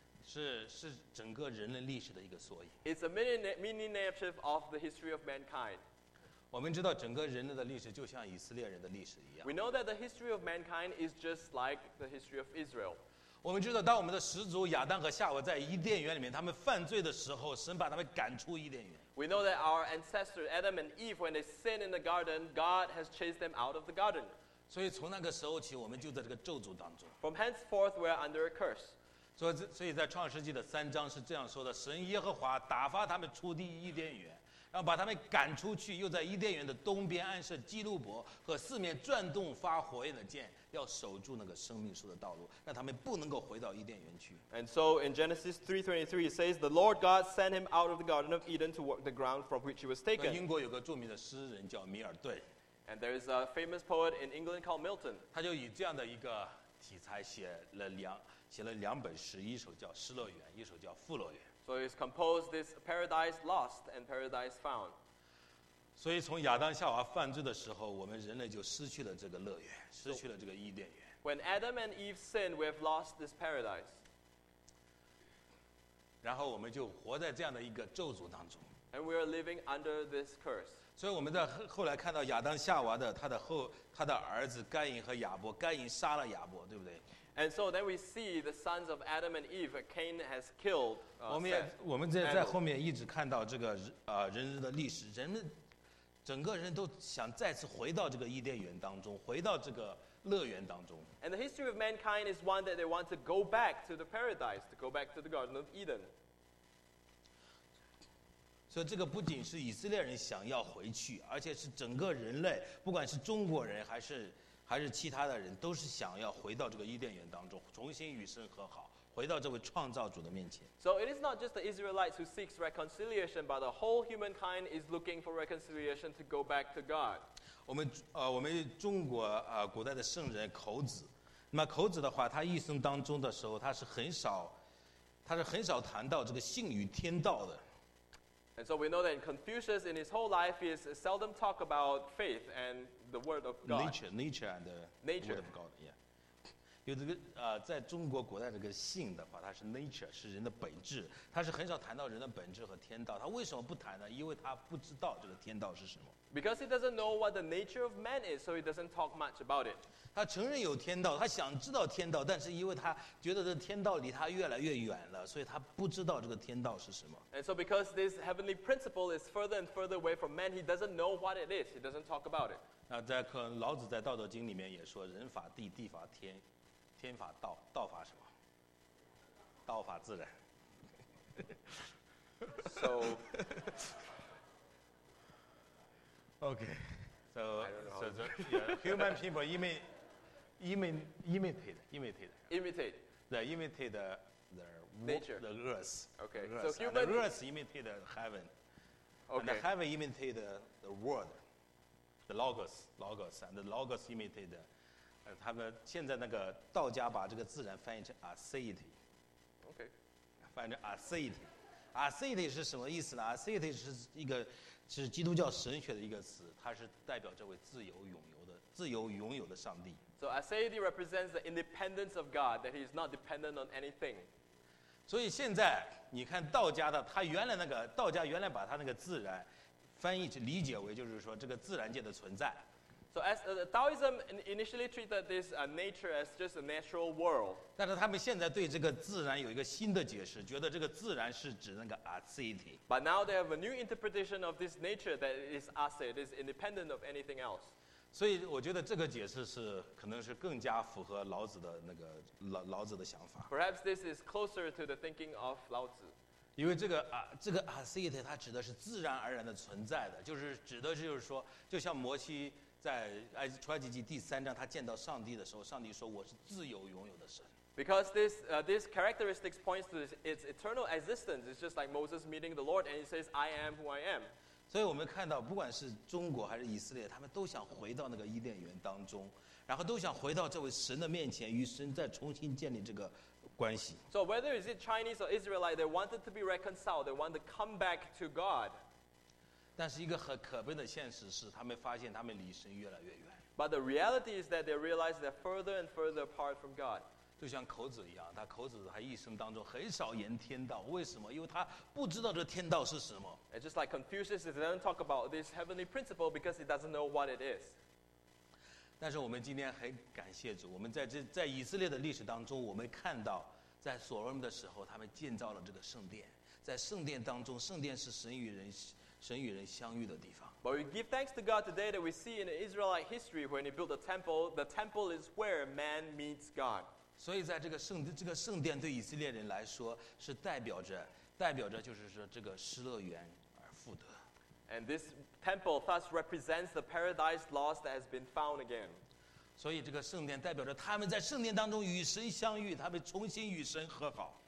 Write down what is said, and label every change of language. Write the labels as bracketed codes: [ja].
[zh] 是整个人类历史的一个缩影。 [en] It's a mini narrative of the history of mankind. [zh] 我们知道整个人类的历史就像以色列人的历史一样。 [en] We know that the history of mankind is just like the history of Israel. [zh] 我们知道当我们的始祖亚当和夏娃在伊甸园里面他们犯罪的时候，神把他们赶出伊甸园。 [en] We know that our ancestors Adam and Eve, when they sin in the garden, God has chased them out of the garden. [zh] 所以从那个时候起，我们就在这个咒诅当中。 [en] From henceforth, we are under a curse. [zh] 所以在创世纪的三章是这样说的，神耶和华打发他们出地伊甸园，然后把他们赶出去，又在伊甸园的东边安设基路伯和四面转动发火焰的剑，要守住那个生命树的道路，让他们不能够回到伊甸园去。 [en] And so in Genesis 3:23 it says, the Lord God sent him out of the garden of Eden to work the ground from which he was taken. [zh] 英国有个著名的诗人叫米尔顿。 [en] And there is a famous poet in England called Milton. [zh] 他就以这样的一个题材写了两本诗，一首叫《失乐园》，一首叫《富乐园》。 [en] So he's composed this Paradise Lost and Paradise Found. [zh] 所以从亚当夏娃犯罪的时候，我们人类就失去了这个乐园，失去了这个伊甸园。 [en] When Adam and Eve sinned, we have lost this paradise. [zh] 然后我们就活在这样的一个咒诅当中。 [en] And we are living under this curse. [zh] 所以我们在后来看到亚当夏娃的他的儿子甘隐和亚伯，甘隐杀了亚伯，对不对？ [en] And so then we see the sons of Adam and Eve. Cain has killed. [zh] 我们在后面一直看到这个人类的历史，人们整个人都想再次回到这个伊甸园当中，回到这个乐园当中。 [en] And the history of mankind is one that they want to go back to the paradise, to go back to the Garden of Eden. [zh] 所以这个不仅是以色列人想要回去，而且是整个人类，不管是中国人还是其他的人，都是想要回到这个伊甸园当中，重新与神和好，回到这位创造主的面前。 [en] So it is not just the Israelites who seeks reconciliation, but the whole humankind is looking for reconciliation to go back to God. [zh] 我们中国古代的圣人孔子，那么孔子的话，他一生当中的时候，他是很少谈到这个信与天道的。 [en] And so we know that in Confucius, in his whole life, he has seldom talked about faith and the word of God. Nature and the word of God, yeah. [zh] 有这个在中国古代这个性的话，它是 nature， 是人的本质。他是很少谈到人的本质和天道。他为什么不谈呢？因为他不知道这个天道是什么。 [en] Because he doesn't know what the nature of man is, so he doesn't talk much about it. [zh] 他承认有天道，他想知道天道，但是因为他觉得这天道离他越来越远了，所以他不知道这个天道是什么。 [en] And so because this heavenly principle is further and further away from man, he doesn't know what it is. He doesn't talk about it. [zh] 那在可能老子在《道德经》里面也说：“人法地，地法天。” 天法道，道法什么？道法自然。 [en] So, okay, so, so, so yeah, human people imitate they imitate their nature, the earth. Okay, earth. So human the earth imitate heaven, okay. And the heaven imitate the world, the logos, and the logos imitate. [zh] 他们现在那个道家把这个自然翻译成 aseity， OK，翻译成 aseity， aseity 是什么意思呢？aseity 是一个是基督教神学的一个词，它是代表这位自由拥有的上帝。 [en] So aseity represents the independence of God, that he is not dependent on anything. [zh] 所以现在你看道家的，他原来那个道家原来把他那个自然翻译理解为就是说这个自然界的存在。 [en] So as Taoism initially treated this nature as just a natural world. [zh] 但是他们现在对这个自然有一个新的解释，觉得这个自然是指那个 acidity. [en] But now they have a new interpretation of this nature that is acid, is independent of anything else. [zh] 所以我觉得这个解释是可能是更加符合老子的那个老子的想法。 [en] Perhaps this is closer to the thinking of Lao Zi. [zh] 因为这个 acidity 它指的是自然而然的存在的，就是指的是就是说，就像摩西在出埃及记第三章他见到上帝的时候，上帝说我是自由拥有的神。 [en] Because this this characteristics points to its eternal existence. It's just like Moses meeting the Lord and he says, "I am who I am." [zh] 所以我们看到，不管是中国还是以色列，他们都想回到那个伊甸园当中，然后都想回到这位神的面前，与神再重新建立这个。 [en] So whether is it Chinese or Israelite, they wanted to be reconciled. They wanted to come back to God. [zh] 但是一个很可悲的现实是，他们发现他们离神越来越远。 [en] But the reality is that they realize they're further and further apart from God. [zh] 就像孔子一样，他孔子他一生当中很少言天道，为什么？因为他不知道这天道是什么。 [en] And just like Confucius, he doesn't talk about this heavenly principle because he doesn't know what it is. [zh] 但是我们今天很感谢主，我们在这在以色列的历史当中，我们看到在所罗门的时候，他们建造了这个圣殿。在圣殿当中，圣殿是神与人相遇的地方。 [en] But we give thanks to God today that we see in Israelite history when he built a temple, the temple is where man meets God. [zh] 所以在这个圣殿对以色列人来说是代表着就是说这个失乐园而复得。 [en] And this temple thus represents the paradise lost that has been found again. [zh] 所以这个圣殿代表着他们在圣殿当中与神相遇，他们重新与神和好。